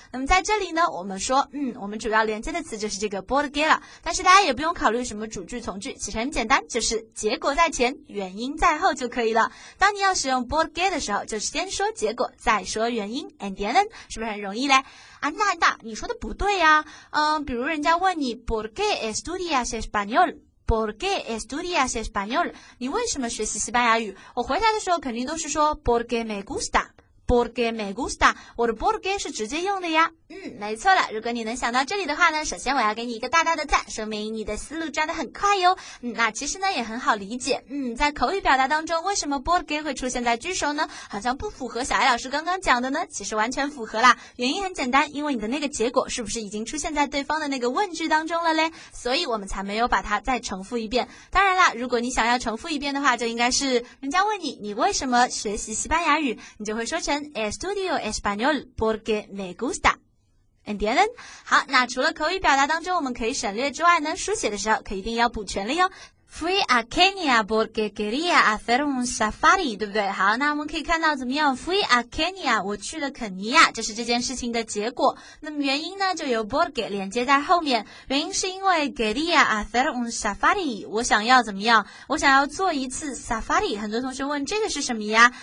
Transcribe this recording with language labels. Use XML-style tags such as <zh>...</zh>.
<zh>那么在这里呢我们说我们主要连接的词就是这个 porque 了，但是大家也不用考虑什么主句从句，其实很简单，就是结果在前原因在后就可以了。当你要使用 porque 的时候就是先说结果再说原因， and then 是不是很容易嘞？那你说的不对呀，比如人家问你 ¿por qué estudias español?</zh> <es>¿Por qué estudias español?</es> <zh>你为什么学习西班牙语？我回答的时候肯定都是说 porque me gusta。 Porque me gusta，我的 porque 是直接用的呀。没错了，如果你能想到这里的话呢，首先我要给你一个大大的赞，说明你的思路抓得很快哟。那其实呢也很好理解，在口语表达当中为什么 porque 会出现在句首呢？好像不符合小艾老师刚刚讲的呢，其实完全符合啦。原因很简单，因为你的那个结果是不是已经出现在对方的那个问句当中了嘞，所以我们才没有把它再重复一遍。当然啦，如果你想要重复一遍的话，就应该是人家问你你为什么学习西班牙语，你就会说成 Estudio español porque me gusta。</zh> <es>Entienden？</es> <zh>好，那除了口语表达当中我们可以省略之外呢，书写的时候可一定要补全了哟。</zh> <es>Fui a Kenya porque quería hacer un safari, 对不对？</es> <zh>好，那我们可以看到怎么样 ？ Fui a Kenya，我去了肯尼亚，这是这件事情的结果。那么原因呢，就由 porque 连接在后面。原因是因为 quería hacer un safari，我想要怎么样？我想要做一次 safari。很多同学问这个是什么呀？</zh>